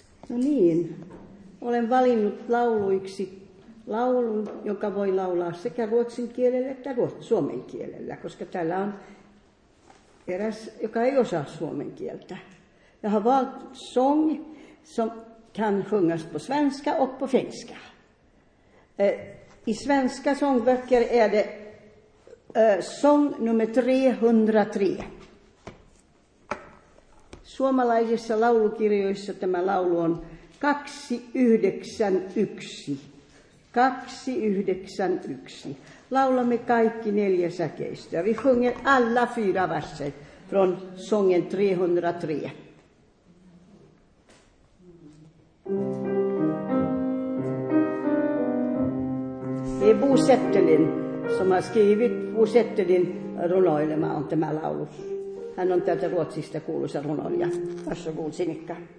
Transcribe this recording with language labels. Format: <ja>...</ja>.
<fi>No niin, olen valinnut lauluiksi laulun, joka voi laulaa sekä ruotsin kielellä että suomen kielellä, koska täällä on eräs, joka ei osaa suomen kieltä.</fi> <sv>Jag har valt sång som kan sjungas på svenska och på finska. I svenska sångböcker är det sång nummer 303.</sv> <fi>Suomalaisissa laulukirjoissa tämä laulu on 291. 291. Laulamme kaikki neljä säkeistöä.</fi> <sv>Vi sjunger alla fyra verser från sången 303. Det är Bo Setterlind som har skrivit.</sv> <fi>Bo Setterlind runoilema on tämä laulu. Hän on täältä Ruotsista kuuluisa runoilija.</fi> <sv>Varsågod,</sv> <fi>Sinikka.</fi>